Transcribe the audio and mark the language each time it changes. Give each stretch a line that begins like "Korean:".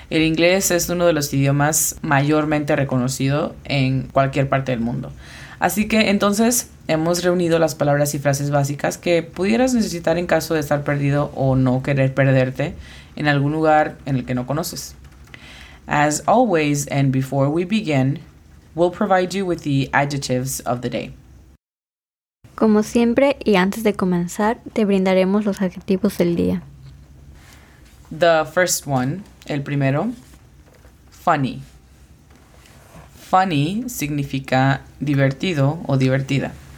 Spanish: El inglés es uno de los idiomas mayormente reconocido en cualquier parte del mundo. Así que entonces hemos reunido las palabras y frases básicas que pudieras necesitar en caso de estar perdido o no querer perderte en algún lugar en el que no conoces.
English: As always, and before we begin, we'll provide you with the adjectives of the day.
Spanish: Como siempre, y antes de comenzar, te brindaremos los adjetivos del día.
English: The first one,
Spanish: el primero,
English: funny.
Spanish: Funny significa divertido o divertida.